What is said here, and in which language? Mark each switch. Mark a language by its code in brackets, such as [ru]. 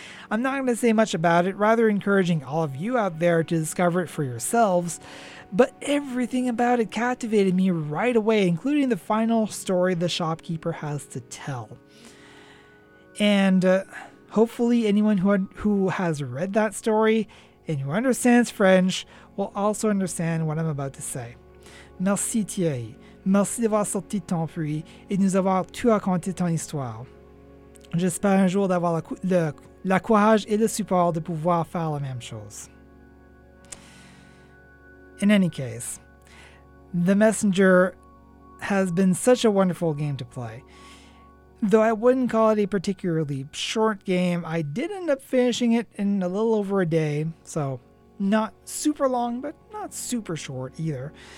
[en] I'm not going to say much about it, rather encouraging all of you out there to discover it for yourselves, but everything about it captivated me right away, including the final story the shopkeeper has to tell. And hopefully anyone who has read that story and who understands French will also understand what I'm about to say. [fr] Merci Thierry. Merci d'avoir sorti ton fruit et nous avoir tout raconté ton histoire. J'espère un jour d'avoir le courage et le support de pouvoir faire la même chose. [en] In any case, The Messenger has been such a wonderful game to play. Though I wouldn't call it a particularly short game, I did end up finishing it in a little over a day, so not super long, but not super short either.